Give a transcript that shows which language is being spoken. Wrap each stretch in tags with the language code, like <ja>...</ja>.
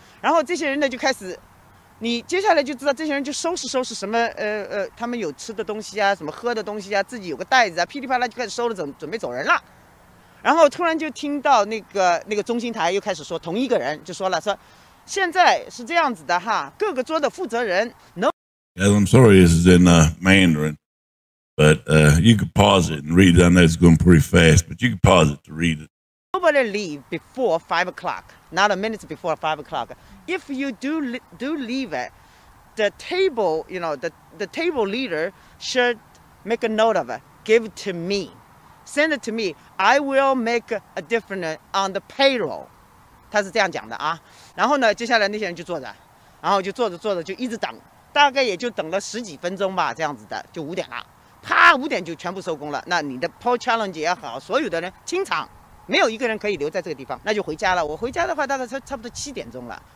<zh>然后这些人呢就开始。你接下来就知道这些人就收拾收拾什么他们有吃的东西啊，什么喝的东西啊，自己有个袋子啊，噼里啪啦就开始收了，准备走人了。然后突然就听到那个中心台又开始说，同一个人就说了，说现在是这样子的哈，各个桌的负责人能。</zh> <en>Yes, I'm sorry, this is in Mandarin, but you could pause it and read it. I know it's going pretty fast, but you could pause it to read it. Nobody leave before 5 o'clock, not a minute before 5 o'clock. If you do leave it, the table, you know, the table leader should make a note of it. Give it to me. Send it to me. I will make a difference on the payroll.</en> <zh>他是这样讲的啊。然后呢，接下来那些人就坐着，然后就坐着坐着就一直等，大概也就等了十几分钟吧，这样子的，就五点了。啪，五点就全部收工了。那你的 poll challenge 也好，所有的人清场，没有一个人可以留在这个地方，那就回家了。我回家的话，大概差不多七点钟了。</zh>